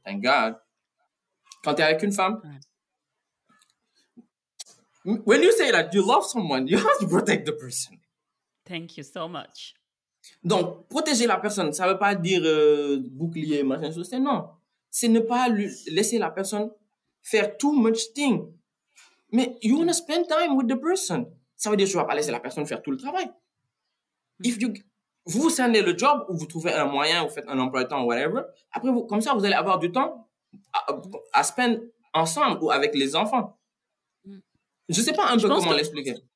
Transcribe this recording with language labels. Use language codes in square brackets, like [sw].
[en] Thank God. [fr] Quand tu es avec une femme, [en] when you say that you love someone, you have to protect the person. Thank you so much. [fr] Donc, protéger la personne, ça ne veut pas dire bouclier, machin, chose. Non. C'est ne pas laisser la personne faire [en] too much thing. Mais you want to spend time with the person. [fr] Ça veut dire que tu ne vas pas laisser la personne faire tout le travail. Vous scindez le job ou vous trouvez un moyen, vous faites un emploi de temps ou whatever. Après, comme ça, vous allez avoir du temps à spend ensemble ou avec les enfants. Je ne sais pas un peu comment l'expliquer.